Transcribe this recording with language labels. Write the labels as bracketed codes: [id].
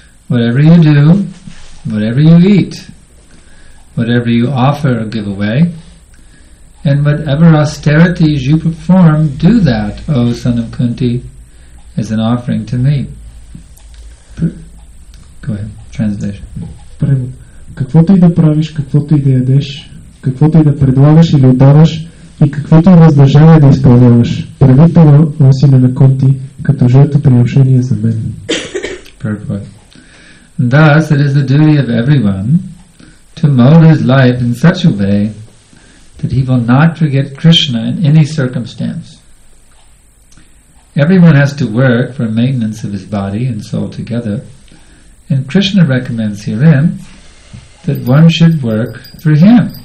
[en] Whatever you eat, whatever you offer or give away, and whatever austerities you perform, do that, O son of Kunti, as an offering to me. Go ahead, translation. [bg] Каквото и да правиш, каквото и да ядеш, каквото и да предлагаш или отдаваш, и каквото и въздържание да изпълняваш, прави това, о сина на Кунти, като жертвоприношение за мен. [en] Perfect. Thus, it is the duty of everyone to mold his life in such a way that he will not forget Krishna in any circumstance. Everyone has to work for maintenance of his body and soul together, and Krishna recommends herein that one should work for him.